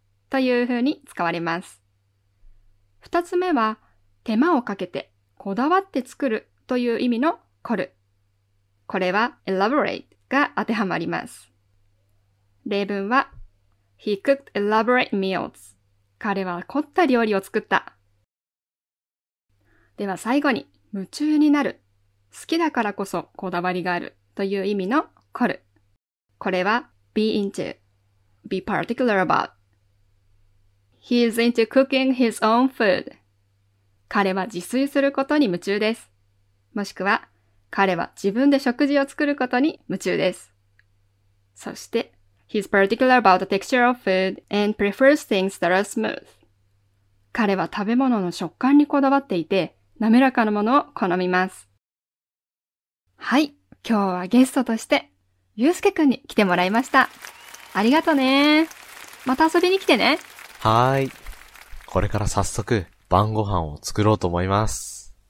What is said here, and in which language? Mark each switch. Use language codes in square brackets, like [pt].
[ja] という風に使われます。二つ目は、手間をかけてこだわって作るという意味の凝る。これは elaborate が当てはまります。例文は、 [en] He cooked elaborate meals. [ja] 彼は凝った料理を作った。では最後に、夢中になる、好きだからこそこだわりがあるという意味の凝る。これは [en] be into, be particular about. He is into cooking his own food. [ja] 彼は自炊することに夢中です。もしくは、彼は自分で食事を作ることに夢中です。そして、 [en] He's particular about the texture of food and prefers things that are smooth. [ja] 彼は食べ物の食感にこだわっていて、滑らかなものを好みます。はい、今日はゲストとして、ゆうすけくんに来てもらいました。ありがとね。また遊びに来てね。はーい。これから早速、晩ご飯を作ろうと思います。